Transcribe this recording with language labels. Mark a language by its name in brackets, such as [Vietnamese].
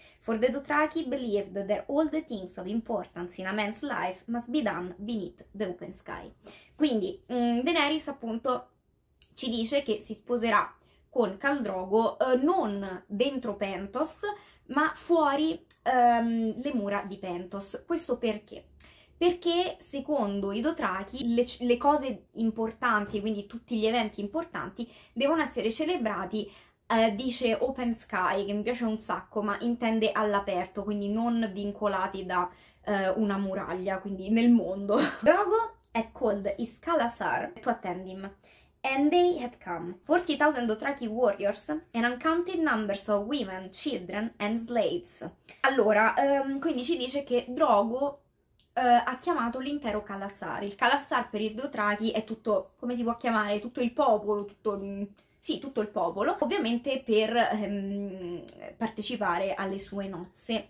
[English] For the Dothraki believed that all the things of importance in a man's life must be done beneath the open sky. [Italian] Quindi Daenerys appunto ci dice che si sposerà con Khal Drogo non dentro Phantos, ma fuori le mura di Phantos. Questo perché? Perché secondo i Dothraki le cose importanti, quindi tutti gli eventi importanti, devono essere celebrati, dice [English] open sky, [Italian] che mi piace un sacco, ma intende all'aperto, quindi non vincolati da una muraglia, quindi nel mondo. [English] Drogo è called Iskalasar to attend him. And they had come. 40,000 Dothraki warriors and uncounted numbers of women, children and slaves. [Italian] Allora, quindi ci dice che Drogo ha chiamato l'intero Khalasar. Il Khalasar per i Dothraki è tutto, come si può chiamare, tutto il popolo, tutto il popolo, ovviamente per partecipare alle sue nozze.